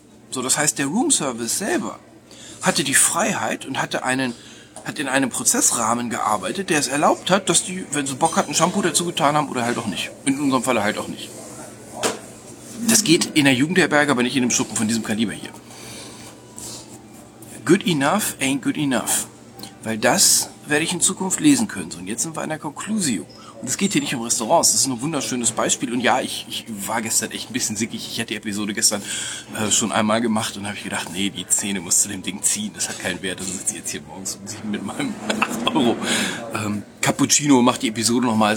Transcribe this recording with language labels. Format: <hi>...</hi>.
<de>So, das heißt, der Roomservice selber hatte die Freiheit und hat in einem Prozessrahmen gearbeitet, der es erlaubt hat, dass die, wenn sie Bock hatten, Shampoo dazu getan haben oder halt auch nicht. In unserem Falle halt auch nicht. Das geht in der Jugendherberge, aber nicht in einem Schuppen von diesem Kaliber hier.</de> <en>Good enough ain't good enough.</en> <de>Weil das werde ich in Zukunft lesen können. Und jetzt sind wir in der Conclusio. Und es geht hier nicht um Restaurants. Das ist ein wunderschönes Beispiel. Und ja, ich war gestern echt ein bisschen sickig. Ich hatte die Episode gestern schon einmal gemacht und habe ich gedacht, nee, die Zähne musst du dem Ding ziehen. Das hat keinen Wert. Also sitze ich jetzt hier morgens um 7 mit meinem 8 Euro Cappuccino und mache die Episode nochmal.</de>